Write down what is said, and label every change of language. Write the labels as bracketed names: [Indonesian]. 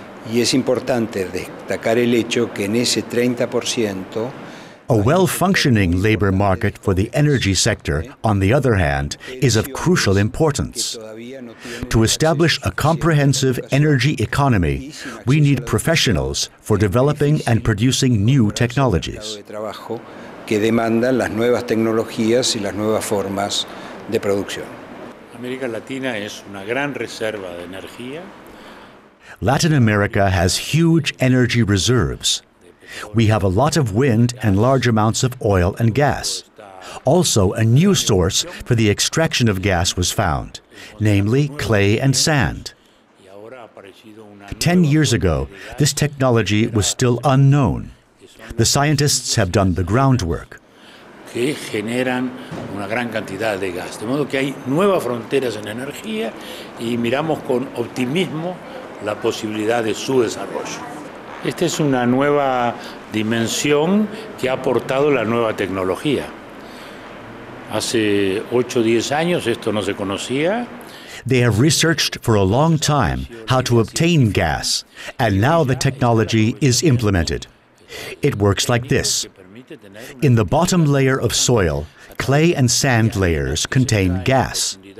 [Spanish] Y es importante destacar el hecho que en ese 30%. [English] A well-functioning labor market for the energy sector, on the other hand, is of crucial importance. To establish a comprehensive energy economy, we need professionals for developing and producing new technologies. [Spanish] Que demandan las nuevas tecnologías y las nuevas formas de producción. América Latina es una gran reserva de energía. [English] Latin America has huge energy reserves. We have a lot of wind and large amounts of oil and gas. Also, a new source for the extraction of gas was found, namely clay and sand. 10 years ago, this technology was still unknown. The scientists have done the groundwork. [Spanish] Que generan una gran cantidad de gas, de modo que hay nuevas fronteras en energía y miramos con optimismo la posibilidad de su desarrollo. Esta es una nueva dimensión que ha aportado la nueva tecnología. Hace 8 o 10 años esto no se conocía. [English] They have researched for a long time how to obtain gas, and now the technology is implemented. It works like this. In the bottom layer of soil, clay and sand layers contain gas.